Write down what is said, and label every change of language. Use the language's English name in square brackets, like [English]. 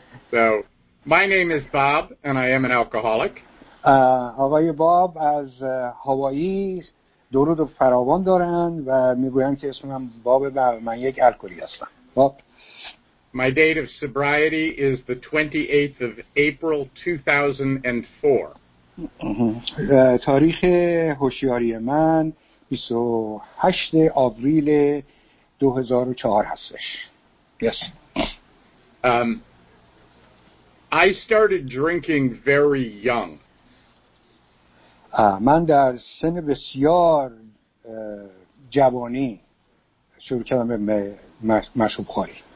[English] So my name is Bob, and I am an alcoholic. [Persian] آقای باب از هوایی درود و فراوان دارند و میگویند که اسمم باب و من یک الکلی هستم. باب. [English] My date of sobriety is the 28th of April 2004. [Persian] تاریخ هوشیاری من 28 آوریل 2004 هستش. [English] Yes. I started drinking very young. [Persian] من در سن بسیار جوانی شروع کردم به مشروب خوری.